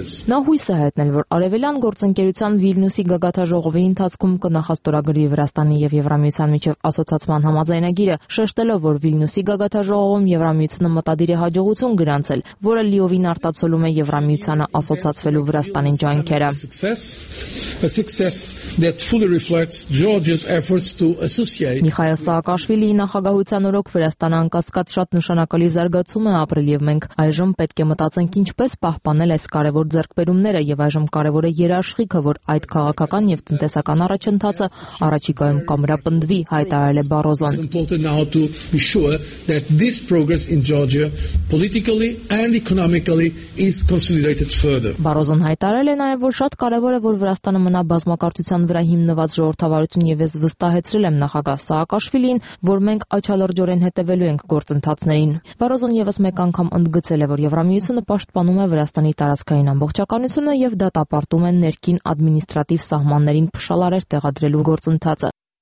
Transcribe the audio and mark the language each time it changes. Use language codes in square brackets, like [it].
[hy] Նա հույս է հայտնել, որ արևելյան գործընկերության Վիլնյուսի գագաթաժողովի ընթացքում կնախաստորագրվի Վրաստանի եւ Եվրամիության միջև ասոցիացման համաձայնագիրը, շեշտելով, որ Վիլնյուսի գագաթաժողովում Եվրամիությունը մտադիր է հաջողություն գրանցել, որը լիովին արտացոլում է Եվրամիությանը ասոցացվելու Վրաստանի ջանքերը։ [en] A success that fully reflects Georgia's efforts to associate. [hy] Միխայել Սաակաշվիլի նախագահության օրոք Վրաստանը անկասկած շատ նշանակալի զարգացում է ապրել եւ մենք այժմ պետք է մտածենք ինչպես պահպանել այս կարևոր ձեռքբերումները եւ այժմ կարևոր է երաշխիքը, որ այդ քաղաքական եւ տնտեսական առաջընթացը առաջիկայում կամրապնդվի, հայտարարել է Բարոզոն։ [en] It's important now to be sure that this progress in Georgia politically and economically is consolidated further. [hy] Բարոզոն հայտարարել է նաեւ, որ շատ կարևոր է, որ Վրաստանը մնա բազմակարծության վրա հիմնված ժողովրդավարություն, եւ ես վստահեցրել եմ նախագահ Սաակաշվիլին, որ մենք աչալուրջորեն հետևելու ենք գործընթացներին։ Բարոզոն եւս մեկ անգամ ընդգծել է, որ Եվրամիությունը պաշտպանում է Վրաստանի տարածքային ամբողջականությունը եւ դա տապարտում է ներքին ադմինիստրատիվ սահմաններին փշալարեր տեղադրելու գործընթացը։